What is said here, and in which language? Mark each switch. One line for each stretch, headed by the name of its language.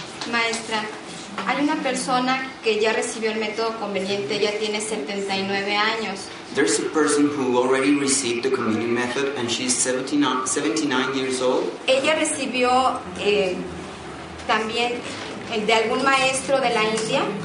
Spanish: Maestra, hay una persona que ya recibió el método conveniente, ya tiene 79 años.
English: There's a person who already received the convenient method and she's 79 years old.
Spanish: Ella recibió también de algún maestro de la India.